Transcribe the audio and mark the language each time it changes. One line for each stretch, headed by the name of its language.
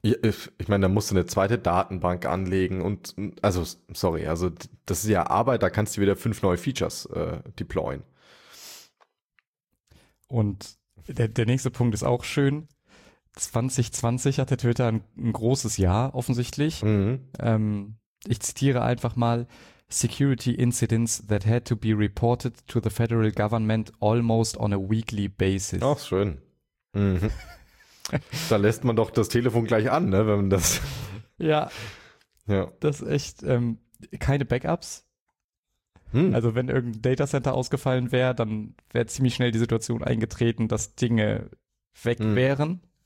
German: Ich meine, da musst du eine zweite Datenbank anlegen und, also, sorry, also das ist ja Arbeit, da kannst du wieder 5 neue Features deployen. Und der nächste Punkt ist auch schön. 2020 hatte Twitter ein großes Jahr, offensichtlich. Mhm. Ich zitiere einfach mal:
English: Security incidents that had to be reported to the federal government almost on a weekly basis.
German: Ach, schön. Mhm. Da lässt man doch das Telefon gleich an, ne, wenn man das. Ja. Ja. Das ist echt, keine Backups. Also, wenn irgendein Datacenter ausgefallen wäre, dann wäre ziemlich schnell die Situation eingetreten, dass Dinge weg wären.